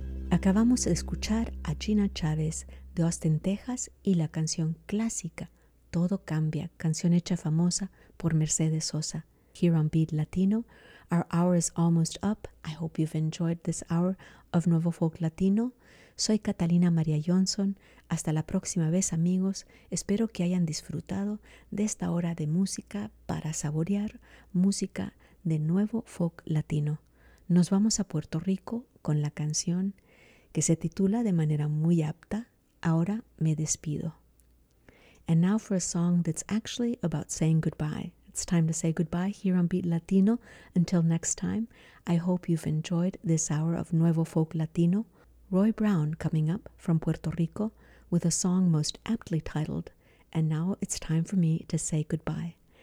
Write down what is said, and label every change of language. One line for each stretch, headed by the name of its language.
Spanish: Acabamos de escuchar a Gina Chávez de Austin, Texas, y la canción clásica Todo Cambia, canción hecha famosa por Mercedes Sosa.
English: Here on Beat Latino, our hour is almost up. I hope you've enjoyed this hour of Nuevo Folk Latino.
Spanish: Soy Catalina María Johnson. Hasta la próxima vez, amigos. Espero que hayan disfrutado de esta hora de música para saborear música de Nuevo Folk Latino. Nos vamos a Puerto Rico con la canción que se titula de manera muy apta, Ahora Me Despido.
English: And now for a song that's actually about saying goodbye. It's time to say goodbye here on Beat Latino. Until next time, I hope you've enjoyed this hour of Nuevo Folk Latino. Roy Brown coming up from Puerto Rico with a song most aptly titled, and now it's time for me to say goodbye.